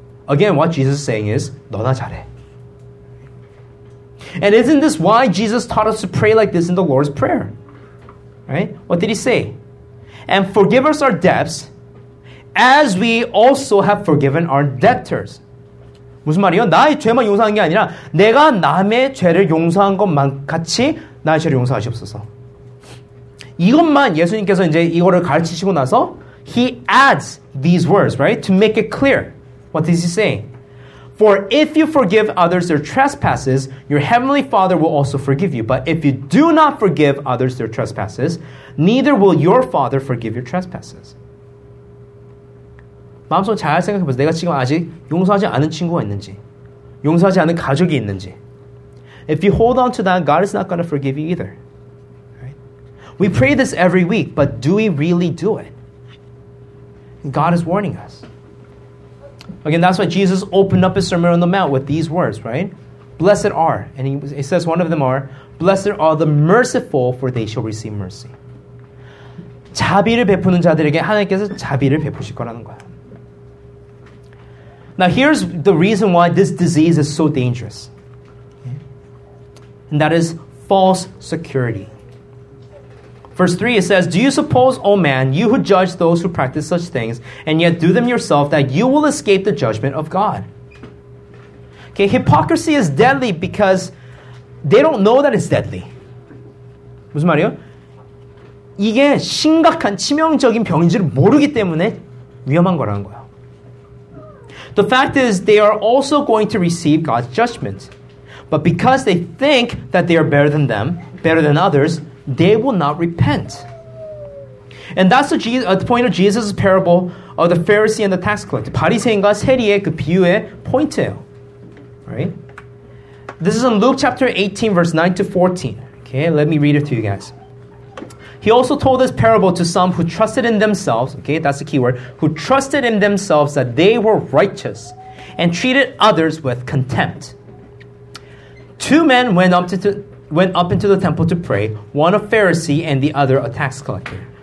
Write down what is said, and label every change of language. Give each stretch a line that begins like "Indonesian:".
English: Again, what Jesus is saying is,
Korean: 너나 잘해.
English: And isn't this why Jesus taught us to pray like this in the Lord's Prayer? Right? What did He say? "And forgive us our debts, as we also have forgiven our debtors."
Korean: 무슨 말이요? 나의 죄만 용서한 게 아니라 내가 남의 죄를 용서한 것만 같이 나의 죄를 용서하시옵소서. 이것만 예수님께서 이제 이거를 가르치시고 나서
English: He adds these words, right? To make it clear. What is He saying? "For if you forgive others their trespasses, your heavenly Father will also forgive you. But if you do not forgive others their trespasses, neither will your Father forgive your trespasses."
Korean: 마음속 잘 생각해보세요. 내가 지금 아직 용서하지 않은 친구가 있는지, 용서하지 않은 가족이 있는지.
English: If you hold on to that, God is not going to forgive you either. We pray this every week, but do we really do it? God is warning us. Again, that's why Jesus opened up His Sermon on the Mount with these words, right? "Blessed are," and He says one of them are, "Blessed are the merciful, for they shall receive mercy."
Korean: 자비를 베푸는 자들에게 하나님께서 자비를 베푸실 거라는 거야.
English: Now here's the reason why this disease is so dangerous. And that is false security. Verse 3, it says, "Do you suppose, O man, you who judge those who practice such things, and yet do them yourself, that you will escape the judgment of God?" Okay, hypocrisy is deadly because they don't know that it's deadly.
Korean: 무슨 말이에요? 이게 심각한 치명적인 병인 줄 모르기 때문에 위험한 거라는 거야.
English: The fact is, they are also going to receive God's judgment. But because they think that they are better than them, better than others, they will not repent. And that's the point of Jesus' parable of the Pharisee and the tax collector.
Korean: 바리새인과 세리의 그 비유의 포인트예요.
English: Right? This is in Luke chapter 18, verse 9 to 14. Okay, let me read it to you guys. "He also told this parable to some who trusted in themselves," okay, that's the key word, "who trusted in themselves that they were righteous and treated others with contempt. Two men went up into the temple to pray, one a Pharisee and the other a tax collector.